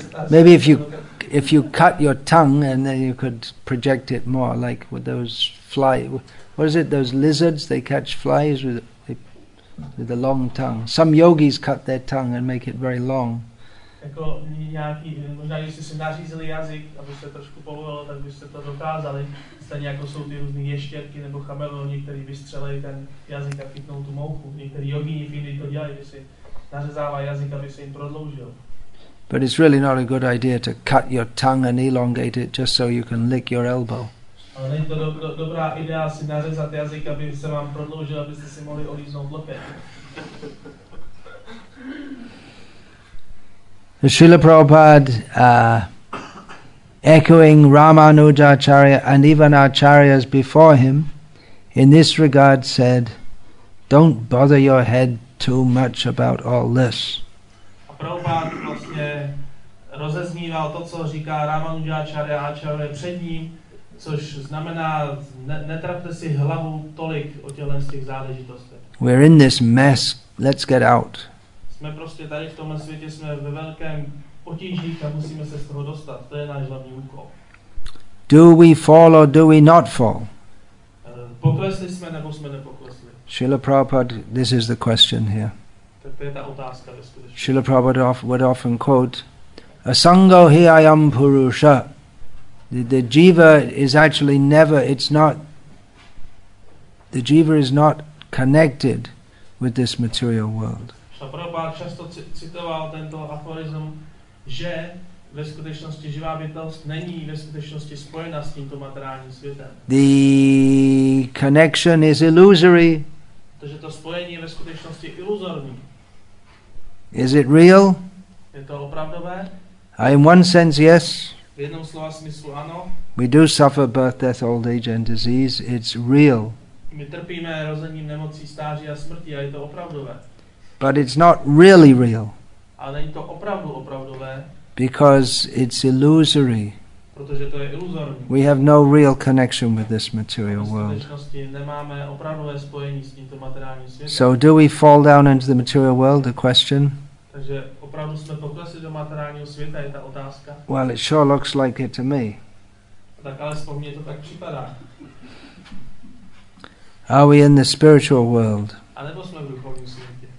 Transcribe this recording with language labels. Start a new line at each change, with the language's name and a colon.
English: Maybe if you cut your tongue and then you could project it more, like with those flies. What is it? Those lizards? They catch flies with a long tongue. Some yogis cut their tongue and make it very long.
Czech: Jako nějaký, možná kdybyste si nařízili jazyk, abyste trošku povolili, tak byste to dokázali. Stejně jako jsou ty různý ještěrky nebo chameleoni, kteří vystřelejí ten jazyk a chytnou tu mouchu. Některý jogíni v Indii to dělají, že si nařezávají jazyk, aby se jim prodloužil.
English: But it's really not a good idea to cut your tongue and elongate it just so you can lick your elbow.
Czech: Ale není to dobrá idea si nařezat jazyk, aby se vám prodloužil, abyste si mohli olíznout loket.
English: Srila Prabhupada, echoing Ramanujacharya and even Acharyas before him, in this regard said, don't bother your head too much about all this.
Czech: A Prabhupada vlastně rozezníval to, co říká Ramanujacharya a Acharya před ním, což znamená, netrapte si hlavu tolik o těchto těch záležitostech.
English: We're in this mess, let's get out.
Czech: Jsme prostě tady v tomhle světě, jsme ve velkém potíži a musíme se z toho dostat. To je náš hlavní úkol.
English: Do we fall or do we not fall?
Czech: Poklesli jsme nebo jsme nepoklesli?
English: Srila Prabhupada, this is the question here.
Czech: Tak to je ta otázka ve skutečnosti.
English: Srila Prabhupada would often quote,
Sanskrit: Asango hi ayam purusha.
English: The jiva is actually never, it's not, the jiva is not connected with this material world.
Czech: A Prabhupada často citoval tento aforizm, že ve skutečnosti živá bytost není ve skutečnosti spojena s tímto materiálním světem.
English: The connection is illusory.
Czech: Takže to spojení je ve skutečnosti iluzorní.
English: Is it real?
Czech: Je to opravdové?
English: In one sense, yes.
Czech: V jednom slova smyslu ano.
English: We do suffer birth, death, old age and disease. It's real.
Czech: My trpíme rozením nemocí, stáří a smrti a je to opravdové.
English: But it's not really real.
Czech: Ale není to opravdu opravdové.
English: Because it's illusory.
Czech: Protože to je iluzorní.
English: We have no real connection with this material world.
Czech: Nemáme opravdové spojení s tímto materiálním světem.
English: So do we fall down into the material world, the question?
Czech: Takže opravdu jsme poklesli do materiálního světa, je ta otázka.
English: Well, it sure looks like it to me.
Czech: Tak alespoň mně to tak připadá.
English: Are we in the spiritual world?
Czech: A nebo jsme v duchovním světě?